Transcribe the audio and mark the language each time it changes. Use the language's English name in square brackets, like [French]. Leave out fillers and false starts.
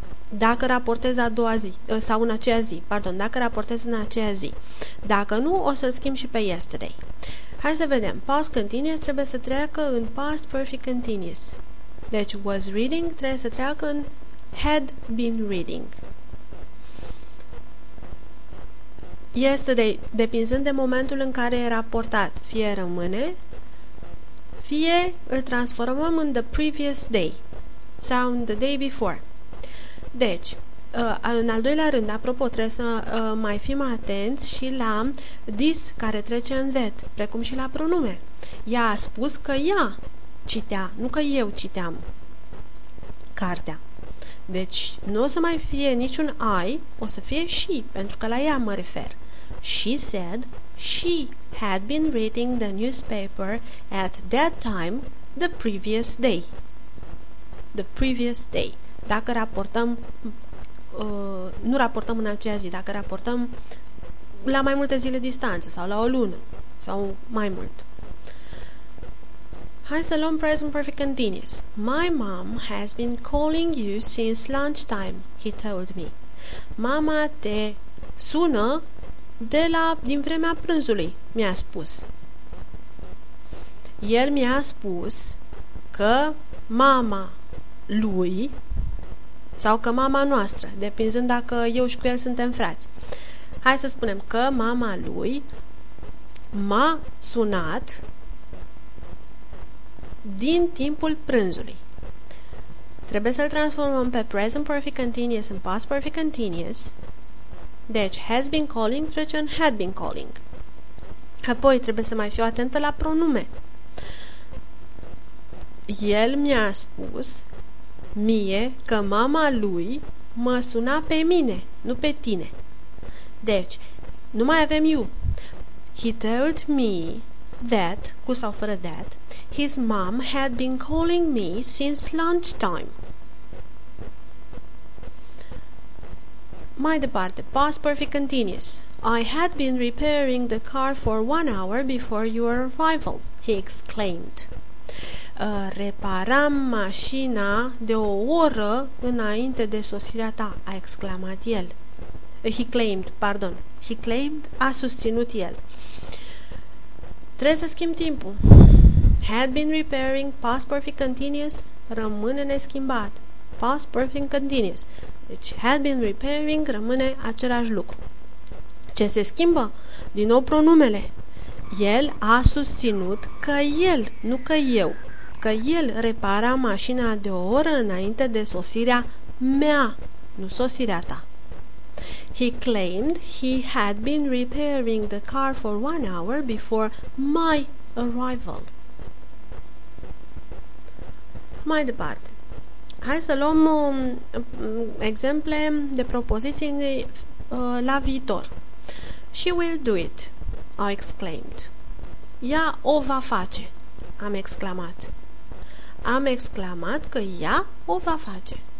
[Romanian] Dacă raportez a doua zi, sau în aceea zi, pardon, dacă raportez în aceea zi. Dacă nu, o să-l schimb și pe yesterday. Hai să vedem. Past continuous trebuie să treacă în past perfect continuous. Deci, [English] was reading [Romanian] trebuie să treacă în [English] had been reading. [Romanian] Yesterday, depinzând de momentul în care e raportat, fie rămâne, fie îl transformăm în [English] the previous day [Romanian] sau în [English] the day before. [Romanian] Deci, în al doilea rând, apropo, trebuie să mai fim atenți și la this care trece în that, precum și la pronume. Ea a spus că ea citea, nu că eu citeam cartea. Deci, nu o să mai fie niciun I, o să fie she, pentru că la ea mă refer. [English] She said she had been reading the newspaper at that time the previous day. The previous day. [Romanian] Dacă raportăm, nu raportăm în aceea zi, dacă raportăm la mai multe zile distanță sau la o lună sau mai mult. Hai să luăm present perfect continuous. [English] My mom has been calling you since lunchtime, he told me. [Romanian] Mama te sună din vremea prânzului, mi-a spus. El mi-a spus că mama lui sau că mama noastră, depinzând dacă eu și cu el suntem frați. Hai să spunem că mama lui m-a sunat din timpul prânzului. Trebuie să-l transformăm pe present perfect continuous în past perfect continuous. Deci, [English] has been calling [Romanian] trece în [English] had been calling. [Romanian] Apoi, trebuie să mai fiu atentă la pronume. El mi-a spus mie că mama lui mă suna pe mine, nu pe tine. Deci, nu mai avem you. [English] He told me that, [Romanian] cu sau fără [English] that, his mom had been calling me since lunchtime. [Romanian] Mai departe, [English] past perfect continuous. I had been repairing the car for 1 hour before your arrival, he exclaimed. [Romanian] Reparam mașina de o oră înainte de sosirea ta, a exclamat el. [English] He claimed, [Romanian] a susținut el. Trebuie să schimb timpul. [English] Had been repairing, [Romanian] past perfect continuous, rămâne neschimbat. Past perfect continuous. Deci, [English] had been repairing, [Romanian] rămâne același lucru. Ce se schimbă? Din nou pronumele. El a susținut că el, nu că eu, că el repara mașina de o oră înainte de sosirea mea, nu sosirea ta. [English] He claimed he had been repairing the car for 1 hour before my arrival. [Romanian] Mai departe. Hai să luăm exemple de propoziții la viitor. [English] She will do it, I exclaimed. [Romanian] Ea o va face, am exclamat. Am exclamat că ea o va face.